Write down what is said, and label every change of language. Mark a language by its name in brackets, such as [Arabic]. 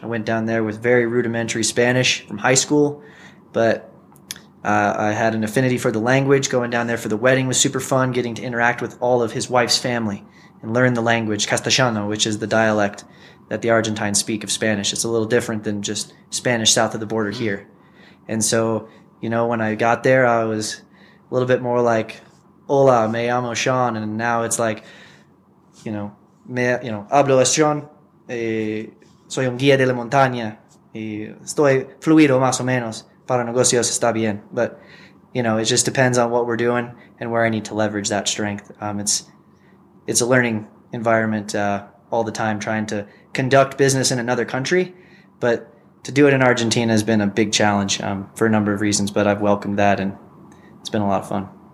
[English] I went down there with very rudimentary Spanish from high school, but I had an affinity for the language. Going down there for the wedding was super fun, getting to interact with all of his wife's family and learn the language, Castellano, which is the dialect that the Argentines speak of Spanish. It's a little different than just Spanish south of the border here. And so, you know, when I got there, I was a little bit more like, [Spanish] hola, me llamo Sean. [English] And now it's like, you know, [Spanish] hablo es Sean, soy un guía de la montaña, estoy fluido más o menos, para negocios está bien. [English] But, you know, it just depends on what we're doing and where I need to leverage that strength. It's a learning environment all the time, trying to conduct business in another country. But to do it in Argentina has been a big challenge for a number of reasons, but I've welcomed that and it's been a lot of fun.